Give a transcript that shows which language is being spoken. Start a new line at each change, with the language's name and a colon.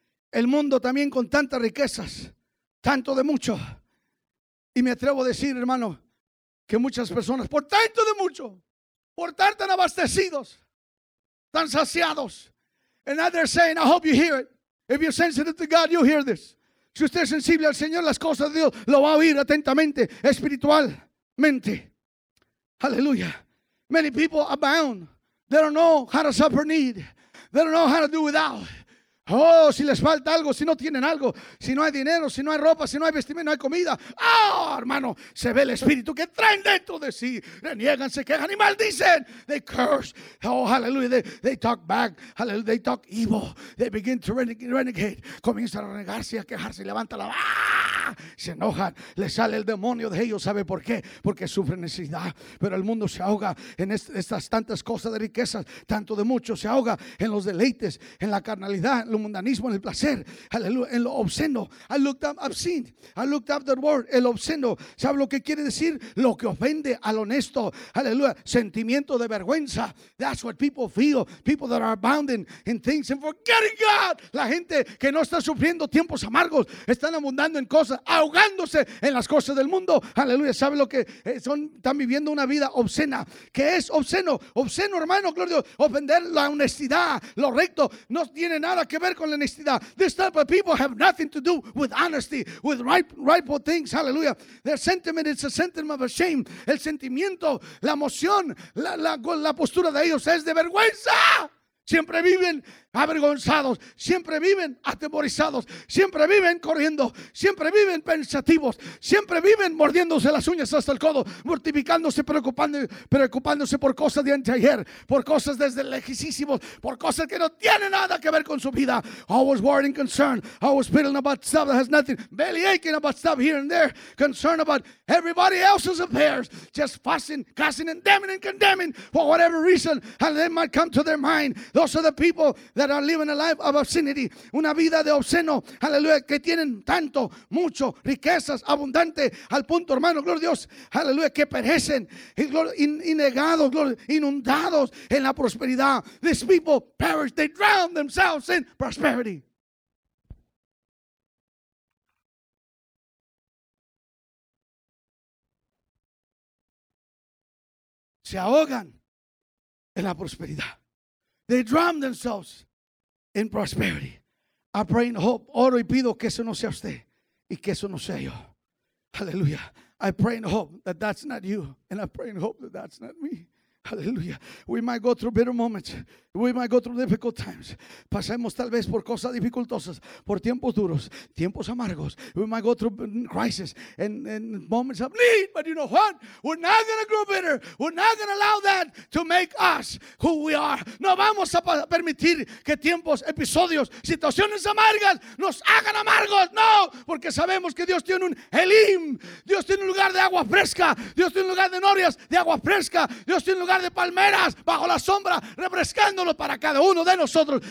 Spanish: El mundo también con tantas riquezas, tanto de mucho. Y me atrevo a decir, hermano, que muchas personas, por tanto de mucho, por estar tan abastecidos, tan saciados.
English: And they're saying, I hope you hear it. If you're sensitive to God, you'll hear this.
Spanish: Si usted es sensible al Señor, las cosas de Dios lo va a oír atentamente, espiritualmente.
English: Aleluya. Many people abound. They don't know how to suffer need. They don't know how to do without.
Spanish: Oh, si les falta algo, si no tienen algo, si no hay dinero, si no hay ropa, si no hay vestimenta, no hay comida. Oh, hermano, se ve el espíritu que traen dentro de sí. Reniegan, se quejan y maldicen.
English: They curse. Oh, hallelujah. They talk back. Hallelujah. They talk evil. They begin to renegade.
Spanish: Comienzan a renegarse, a quejarse y levantan la se enojan, le sale el demonio de ellos. ¿Sabe por qué? Porque sufre necesidad. Pero el mundo se ahoga en estas tantas cosas de riquezas, tanto de mucho, se ahoga en los deleites, en la carnalidad, en el mundanismo, en el placer, aleluya, en lo obsceno.
English: I looked up that word,
Spanish: el obsceno. ¿Sabe lo que quiere decir? Lo que ofende al honesto, aleluya, sentimiento de vergüenza.
English: That's what people feel, people that are abounding in things and forgetting God.
Spanish: La gente que no está sufriendo tiempos amargos, están abundando en cosas, ahogándose en las cosas del mundo. Aleluya. ¿Sabe lo que son? Están viviendo una vida obscena. ¿Qué es obsceno? Obsceno, hermano, gloria a Dios. Ofender la honestidad, lo recto, no tiene nada que ver con la honestidad.
English: This type of people have nothing to do with honesty, with rightful things. Aleluya. Their sentiment is a sentiment of shame.
Spanish: El sentimiento, la emoción, la postura de ellos es de vergüenza. Siempre viven avergonzados, siempre viven atemorizados, siempre viven corriendo, siempre viven pensativos, siempre viven mordiéndose las uñas hasta el codo, mortificándose, preocupándose por cosas de anteayer, por cosas desde lejísimos, por cosas que no tienen nada que ver con su vida.
English: Always worried and concerned, always fiddling about stuff that has nothing, belly aching about stuff here and there, concerned about everybody else's affairs, just fussing, cussing and damning and condemning for whatever reason and they might come to their mind. Those are the people that are living a life of obscenity.
Spanish: Una vida de obsceno, aleluya, que tienen tanto, mucho, riquezas, abundante, al punto, hermano, gloria a Dios, aleluya, que perecen, inegados, inundados en la prosperidad.
English: These people perish, they drown themselves in prosperity.
Spanish: Se ahogan en la prosperidad.
English: They drown themselves in prosperity. I pray and hope.
Spanish: Oro y pido que eso no sea usted y que eso no sea yo.
English: Hallelujah. I pray and hope that that's not you. And I pray and hope that that's not me. Hallelujah. We might go through bitter moments. We might go through difficult times.
Spanish: Pasemos tal vez por cosas dificultosas, por tiempos duros, tiempos amargos.
English: We might go through crisis and moments of need. But you know what? We're not going to grow bitter. We're not going to allow that to make us who we are.
Spanish: No vamos a permitir que tiempos, episodios, situaciones amargas nos hagan amargos. No, porque sabemos que Dios tiene un Elim. Dios tiene un lugar de agua fresca. Dios tiene un lugar de norias, de agua fresca. Dios tiene un lugar de palmeras bajo la sombra, refrescando para cada uno de nosotros.